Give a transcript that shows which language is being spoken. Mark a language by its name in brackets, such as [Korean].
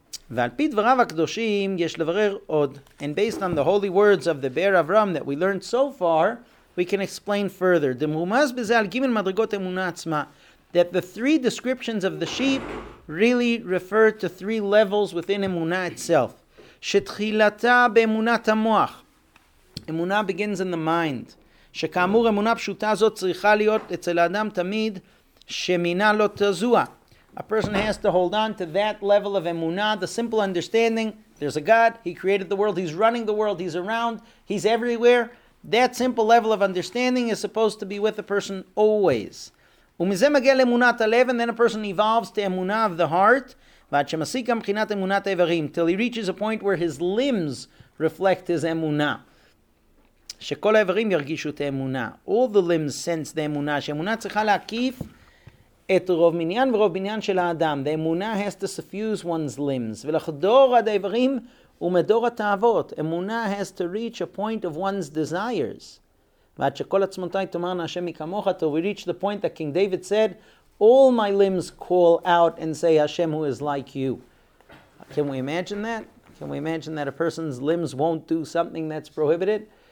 [Hebrew] V'alpid v'rav ha'kdoshim yesh levarer od. [English] And based on the holy words of the Be'er Avram that we learned so far, we can explain further. [Hebrew] D'mumaz b'zal gimel madrigot emunah atzma. [English] That the three descriptions of the sheep really refer to three levels within emunah itself. [Hebrew] Shetchilata be'emunat ha'moach. [English] Emunah begins in the mind. [Hebrew] שכאמור אמונה פשוטה זאת צריכה להיות אצל האדם תמיד שמינה לא תזוע. [English] A person has to hold on to that level of emunah, the simple understanding, there's a God, he created the world, he's running the world, he's around, he's everywhere. That simple level of understanding is supposed to be with a person always. [Hebrew] ומזה מגיע לאמונת הלב, [English] and then a person evolves to emunah of the heart, [Hebrew] ועד שמסיק גם מבחינת אמונת האיברים, [English] till he reaches a point where his limbs reflect his emunah. [Hebrew] שכל האיברים ירגישו את האמונה. [English] All the limbs sense the [Hebrew] אמונה, שאמונה צריכה להקיף את רוב מניין ורוב בניין של האדם. [English] The אמונה has to suffuse one's limbs. [Hebrew] ולחדור עד האיברים ומדור התאוות. [English] אמונה has to reach a point of one's desires. [Hebrew] ועד שכל עצמותיי תאמרנה השם מכמוך, [English] till we reach the point that King David said, all my limbs call out and say, Hashem, who is like you. Can we imagine that? Can we imagine that a person's limbs won't do something that's prohibited?